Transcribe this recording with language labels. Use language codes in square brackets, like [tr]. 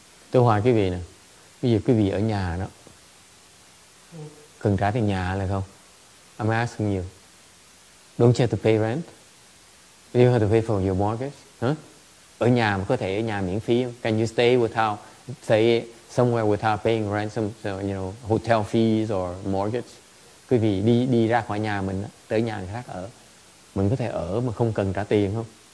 [vi] Tôi hỏi quý vị nè, bây giờ quý vị ở nhà đó, cần trả tiền nhà là không? [en] I'm asking you, don't you have to pay rent? Do you have to pay for your mortgage? [vi] Ở nhà mà có thể ở nhà miễn phí không? [en] Can you stay somewhere without paying rent, hotel fees or mortgage? [vi] Quý vị đi ra khỏi nhà mình tới nhà người khác ở, mình có thể ở mà không cần trả tiền không?